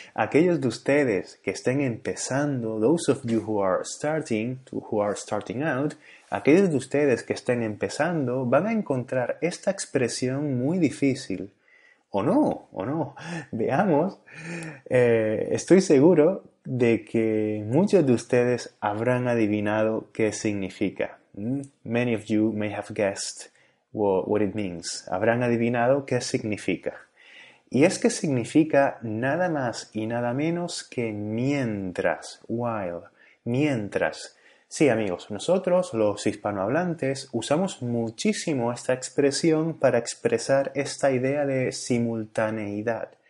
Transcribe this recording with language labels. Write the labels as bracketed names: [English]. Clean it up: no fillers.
[Spanish] Aquellos de ustedes que estén empezando, [English] those of you who are starting out, [Spanish] aquellos de ustedes que estén empezando van a encontrar esta expresión muy difícil. O no, veamos. Estoy seguro de que muchos de ustedes habrán adivinado qué significa. [English] Many of you may have guessed what it means. [Spanish] Habrán adivinado qué significa. Y es que significa nada más y nada menos que mientras, while, mientras. Sí, amigos, nosotros, los hispanohablantes, usamos muchísimo esta expresión para expresar esta idea de simultaneidad.